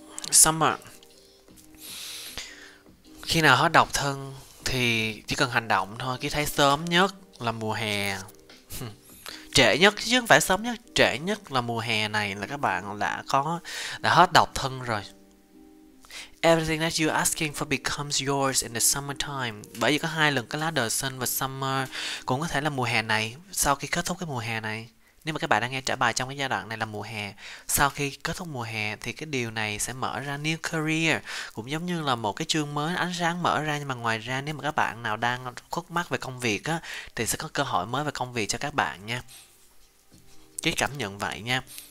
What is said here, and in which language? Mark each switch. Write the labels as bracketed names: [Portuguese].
[English] Summer. [Vietnamese] Khi nào hết độc thân thì chỉ cần hành động thôi, Kit thấy sớm nhất là mùa hè. Trễ nhất chứ không phải sớm nhất, trễ nhất là mùa hè này là các bạn đã hết độc thân rồi. [English] Everything that you're asking for becomes yours in the summer time. [Vietnamese] Bởi vì có hai lần cái lá đờ xanh và summer, cũng có thể là mùa hè này, sau khi kết thúc cái mùa hè này. Nếu mà các bạn đang nghe trả bài trong cái giai đoạn này là mùa hè, sau khi kết thúc mùa hè thì cái điều này sẽ mở ra [English] new career, [Vietnamese] cũng giống như là một cái chương mới ánh sáng mở ra. Nhưng mà ngoài ra nếu mà các bạn nào đang khúc mắc về công việc á thì sẽ có cơ hội mới về công việc cho các bạn nha, cái cảm nhận vậy nha.